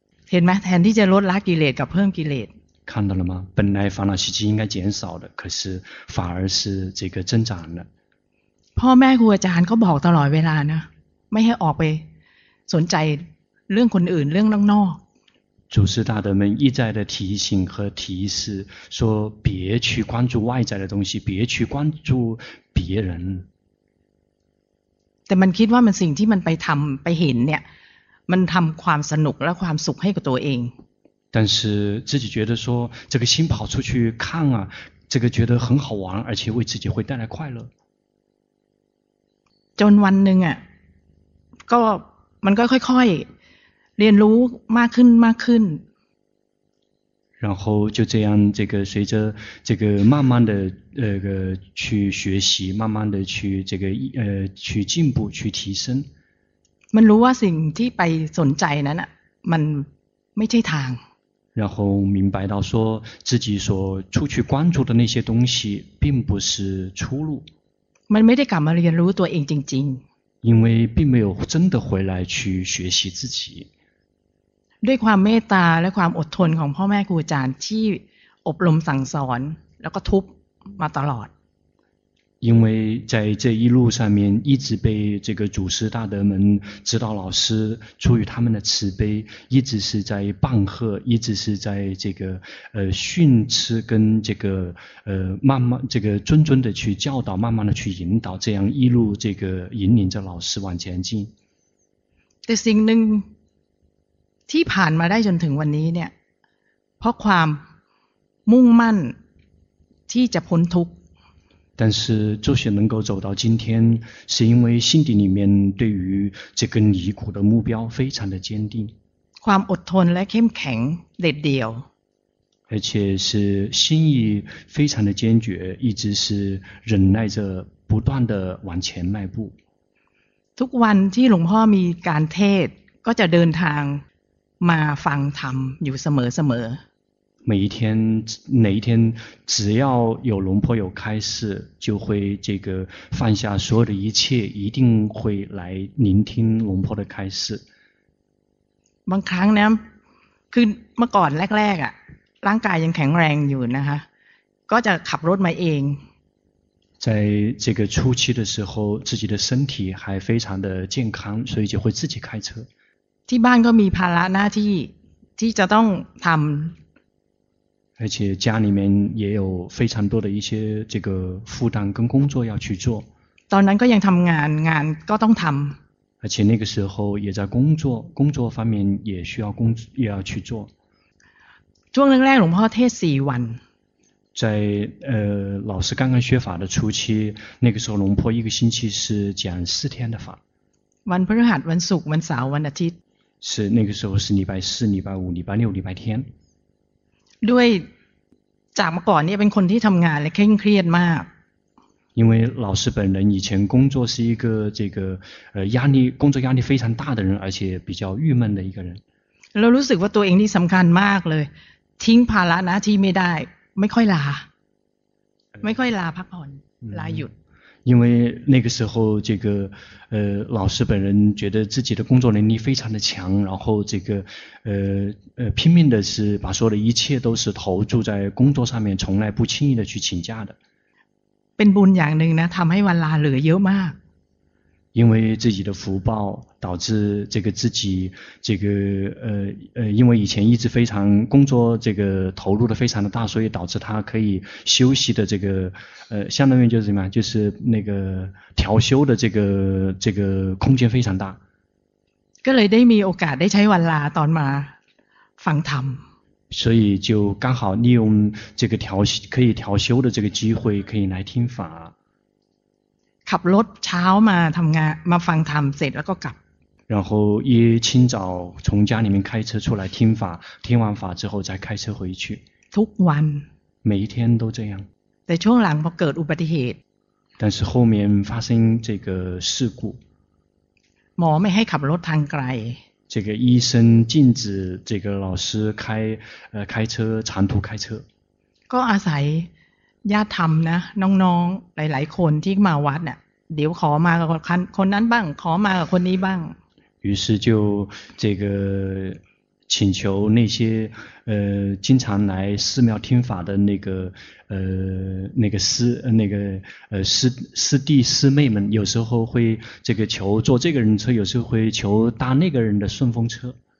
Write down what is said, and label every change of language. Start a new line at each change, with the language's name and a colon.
Thai: เห็นไหมแทนที่จะลดละกิเลสกับเพิ่มกิเลส
Chinese: 看到了吗本来烦恼习气应该减少的可是反而是这个增长的
Thai: พ่อแม่ครูอาจารย์ก็บอกตลอดเวลานะไม่ให้ออกไปสนใจเรื่องคนอื่นเรื่องนอก
Chinese: 祖师大德们一再的提醒和提示说别去关注外在的东西别去关注别人
Thai: แต่มันคิดว่ามันสิ่งที่มันไปทำไปเห็นเนี่ยมันทำความสนุกและความสุขให้กับตัวเอง
Chinese: 但是自己觉得说这个心跑出去看啊这个觉得很好玩而且为自己会带来快乐
Thai: จนวันหนึ่งอ่ะก็มันก็ค่อยเรียนรู้มากขึ้นมากขึ้น
Chinese: 然后就这样这个随着这个慢慢的去学习慢慢的去这个去进步去提升
Thai: มันรู้ว่าสิ่งที่ไปสนใจนั้นอ่ะมันไม่ใช่ทาง
Chinese: 然后明白到说自己所出去关注的那些东西并不是出路
Thai: มันไม่ได้กลับมาเรียนรู้ตัวเองจริงๆ
Chinese: 因为并没有真的回来去学习自己
Thai: ด้วยความเมตตาและความอดทนของพ่อแม่ครูอาจารย์ที่อบรมสั่งสอนแล้วก็ทุบมาตลอด
Chinese: 因为在这一路上面一直被这个祖师大德们指导老师出于他们的慈悲一直是在棒喝一直是在这个训斥跟这个慢慢这个谆谆的去教导慢慢的去引导这样一路这个引领着老师往前进
Thai: แต่สิ่งหนึ่งที่ผ่านมาได้จนถึงวันนี้เนี่ยเพราะความมุ่งมั่นที่จะพ้นทุกข์
Chinese: 但是就是能够走到今天是因为心底里面对于这个离苦的目标非常的坚定
Thai: ความอดทนและเข้มแข็งเด็ดเดียว
Chinese: 而且是心意非常的坚决一直是忍耐着不断的往前迈步
Thai: ทุกวันที่หลวงพ่อมีการเทศก็จะเดินทางมาฟังธรรมอยู่เสมอเสมอ
Chinese: 每一天哪一天只要有龙婆有开示就会这个放下所有的一切一定会来聆听龙婆的开示
Thai: บางครั้งนะคือเมื่อก่อนแรกๆอ่ะร่างกายยังแข็งแรงอยู่นะคะก็จะขับรถมาเอง
Chinese: 在这个初期的时候自己的身体还非常的健康所以就会自己开车
Thai: ที่บ้านก็มีภาระหน้าที่ที่จะต้องทำ
Chinese: 而且家里面也有非常多的一些这个负担跟工作要去做
Thai: ตอนนั้นก็ยังทำงานงานก็ต้องทำ
Chinese: 而且那个时候也在工作工作方面也需要工也要去做
Thai: ช่วงแรกๆหลวงพ่อเทศ4วัน
Chinese: 在老师刚刚学法的初期那个时候龙坡一个星期是讲四天的法
Thai: วันพฤหัสวันศุกร์วันเสาร์วันอาทิตย์
Chinese: 是那个时候是礼拜四礼拜五礼拜六礼拜天
Thai: ด้วยจากเมื่อก่อนนี่เป็นคนที่ทำงานและเคร่งเครียดมาก
Chinese: 因为老师本人以前工作是一个这个压力工作压力非常大的人而且比较郁闷的一个人
Thai: เรารู้สึกว่าตัวเองนี่สำคัญมากเลยทิ้งภาระหน้าที่ไม่ได้ไม่ค่อยลาไม่ค่อยลาพักผ่อนลาหยุด
Chinese: 因为那个时候这个老师本人觉得自己的工作能力非常的强然后这个拼命的是把所有的一切都是投注在工作上面从来不轻易的去请假的
Thai: เป็นบุญอย่างหนึ่งนะทำให้วันลาเหลือเยอะมาก
Chinese: 因为自己的福报导致这个自己这个因为以前一直非常工作这个投入的非常的大所以导致他可以休息的这个相当于就是什么就是那个调休的这个空间非常大
Thai: ก็เลยได้มีโอกาสได้ใช้วันลาตอนมาฟังธรรม
Chinese: 所以就刚好利用这个调可以调休的这个机会可以来听法
Thai: ขับรถเช้ามาทำงานมาฟังธรรมเสร็จแล้วก็กลับ
Chinese: 然后一清早从家里面开车出来听法听完法之后再开车回去
Thai: ทุกวัน
Chinese: 每一天都这样
Thai: แต่ช่วงหลังพอเกิดอุบัติเหตุ
Chinese: 但是后面发生这个事故
Thai: หมอไม่ให้ขับรถทางไกล
Chinese: 这个医生禁止这个老师开车长途开车
Thai: ก็อาศัย ญาติธรรมนะน้องๆหลายๆคนที่มาวัดเนี่ยเดี๋ยวขอมากับคนนั้นบ้างขอมากับคนนี้บ้าง
Chinese: 于是就这个请求那些经常来寺庙听法的那个师弟师妹们，有时候会这个求坐这个人车，有时候会求搭那个人的顺风车。